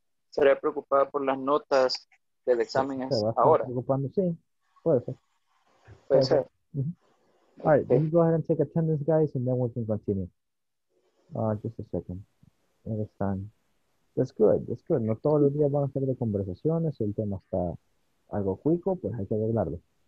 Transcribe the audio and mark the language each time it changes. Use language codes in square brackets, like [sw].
[es] Sería preocupada por las notas del examen ahora. Preocupando, sí. Puede ser. Puede ser. Mm-hmm. [en] All right, let me go ahead and take attendance, guys, and then we can continue. Just a second. There it is. That's good. [es] No todos los días van a ser de conversaciones. El tema está algo cuico, pues hay que arreglarlo.